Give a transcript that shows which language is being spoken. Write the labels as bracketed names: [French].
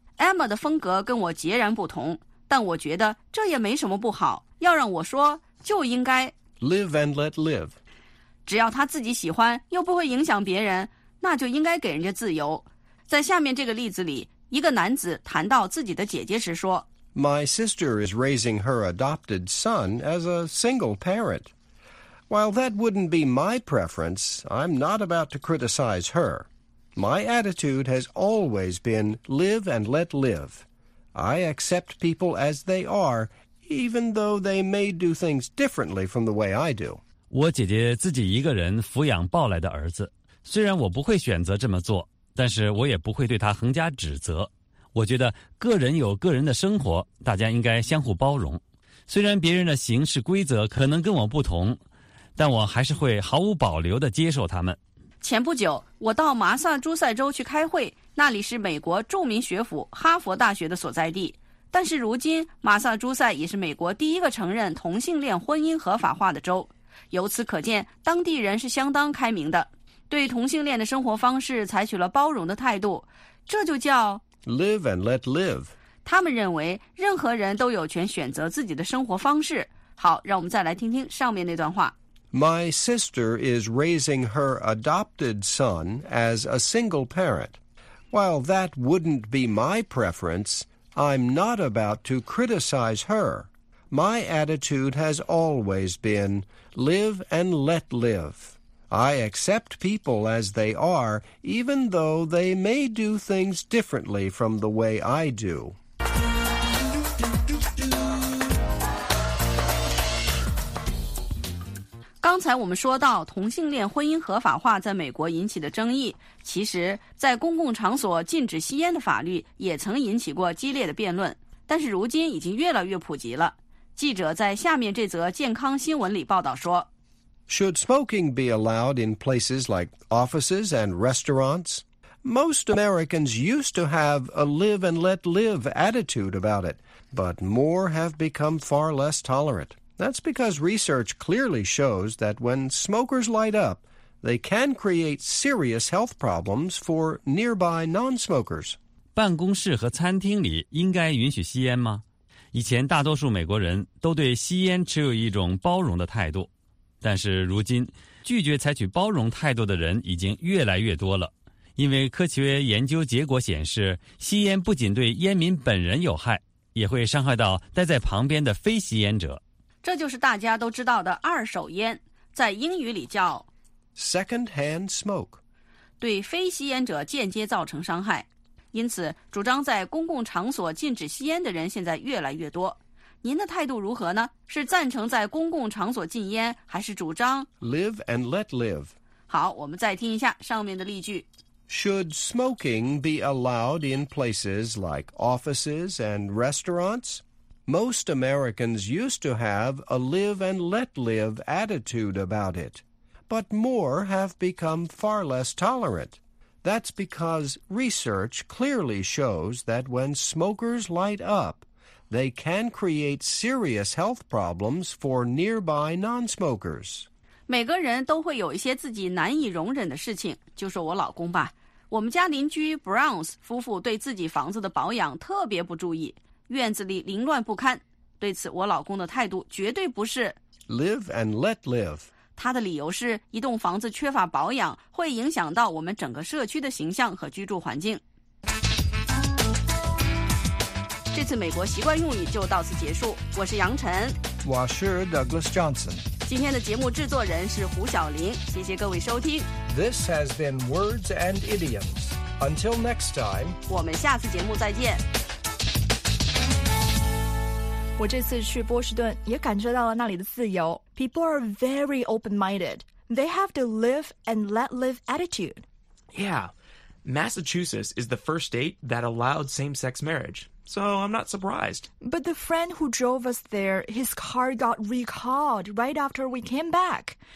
[Chinese] Emma 的风格跟我截然不同，但我觉得这也没什么不好。要让我说就应该。 [English] Live and let live. [Chinese] 只要他自己喜欢又不会影响别人，那就应该给人家自由。在下面这个例子里，一个男子谈到自己的姐姐时说 [English] My sister is raising her adopted son as a single parent. While that wouldn't be my preference, I'm not about to criticize her. My attitude has always been live and let live. I accept people as they are, even though they may do things differently from the way I do. [Chinese] 我姐姐自己一个人抚养抱来的儿子，虽然我不会选择这么做，但是我也不会对她横加指责。我觉得个人有个人的生活，大家应该相互包容。虽然别人的行事规则可能跟我不同，但我还是会毫无保留地接受他们。前不久，我到马萨诸塞州去开会，那里是美国著名学府哈佛大学的所在地。但是如今，马萨诸塞也是美国第一个承认同性恋婚姻合法化的州。由此可见，当地人是相当开明的，对同性恋的生活方式采取了包容的态度。这就叫 [English] Live and let live. [Chinese] 他们认为任何人都有权选择自己的生活方式。好，让我们再来听听上面那段话。 [English] My sister is raising her adopted son as a single parent. While that wouldn't be my preference, I'm not about to criticize her. My attitude has always been live and let live. I accept people as they are, even though they may do things differently from the way I do. [Chinese] 刚才我们说到同性恋婚姻合法化在美国引起的争议，其实在公共场所禁止吸烟的法律也曾引起过激烈的辩论，但是如今已经越来越普及了。记者在下面这则健康新闻里报道说， [English] Should smoking be allowed in places like offices and restaurants? Most Americans used to have a live and let live attitude about it, but more have become far less tolerant. That's because research clearly shows that when smokers light up, they can create serious health problems for nearby non-smokers. [Chinese] 办公室和餐厅里应该允许吸烟吗？以前大多数美国人都对吸烟持有一种包容的态度，但是如今，拒绝采取包容态度的人已经越来越多了。因为科学研究结果显示，吸烟不仅对烟民本人有害，也会伤害到待在旁边的非吸烟者。这就是大家都知道的二手烟，在英语里叫 [English] Secondhand smoke， [Chinese] 对非吸烟者间接造成伤害。因此主张在公共场所禁止吸烟的人现在越来越多，您的态度如何呢？是赞成在公共场所禁烟，还是主张 [English] Live and let live？ [Chinese] 好，我们再听一下上面的例句。 [English] Should smoking be allowed in places like offices and restaurants? Most Americans used to have a live and let live attitude about it, but more have become far less tolerant. That's because research clearly shows that when smokers light up, they can create serious health problems for nearby non-smokers. [Chinese] 每个人都会有一些自己难以容忍的事情，就说我老公吧。我们家邻居 Browns 夫妇对自己房子的保养特别不注意。院子里凌乱不堪，对此我老公的态度绝对不是 [English] Live and let live。 [Chinese] 他的理由是一栋房子缺乏保养会影响到我们整个社区的形象和居住环境。这次美国习惯用语就到此结束，我是杨晨，我是 Douglas Johnson。今天的节目制作人是胡晓玲，谢谢各位收听。 [English] This has been Words and Idioms. Until next time， [Chinese] 我们下次节目再见。我这次去波士顿也感受到了那里的自由。 [English] People are very open-minded. They have the live and let live attitude. Yeah. Massachusetts is the first state that allowed same-sex marriage. So I'm not surprised. But the friend who drove us there, his car got recalled right after we came back.